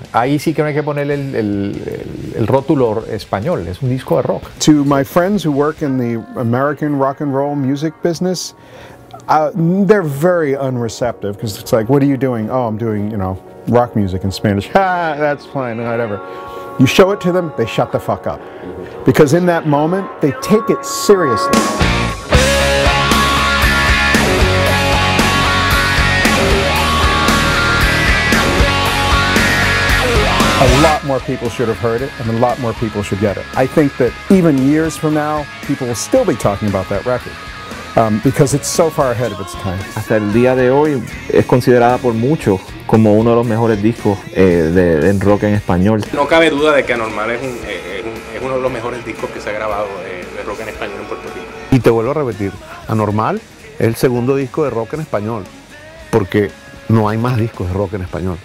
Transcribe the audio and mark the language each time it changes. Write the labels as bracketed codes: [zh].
[es] Ahí sí que no hay que ponerle el rótulo español. Es un disco de rock. [en] To my friends who work in the American rock and roll music business, they're very unreceptive because it's like, what are you doing? Oh, I'm doing, you know, rock music in Spanish. That's fine, whatever. You show it to them, they shut the fuck up. Because in that moment, they take it seriously. A lot more people should have heard it, and a lot more people should get it. I think that even years from now, people will still be talking about that record. Because it's so far ahead of its time. [es] Hasta el día de hoy es considerada por muchos como uno de los mejores discos de rock en español. No cabe duda de que Anormal es uno de los mejores discos que se ha grabado de rock en español en Puerto Rico. Y te vuelvo a repetir, Anormal es el segundo disco de rock en español, porque no hay más discos de rock en español.